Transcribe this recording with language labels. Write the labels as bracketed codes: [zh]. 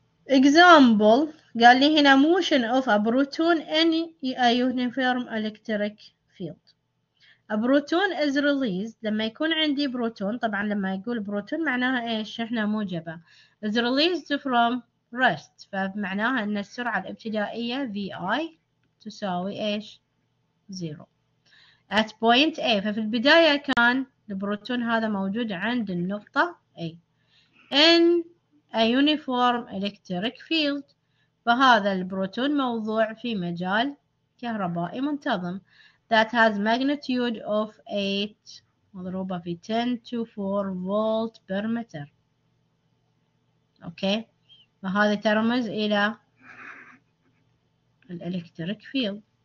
[ar] example قال لي هنا [en] motion of a proton in a uniform electric field a proton is released [ar] لما يكون عندي بروتون طبعا لما يقول بروتون معناها ايش شحنة موجبة [en] is released from rest [ar] فمعناها ان السرعة الابتدائية VI تساوي إيش؟ zero. [en] at point A. [ar] ففي البداية كان البروتون هذا موجود عند النقطة A. [en] in a uniform electric field. [ar] فهذا البروتون موضوع في مجال كهربائي منتظم [en] that has magnitude of 8 مضروبة في 10 to 4 volt per meter. [ar] اوكي، فهذا ترمز الى الالكتريك فيلد.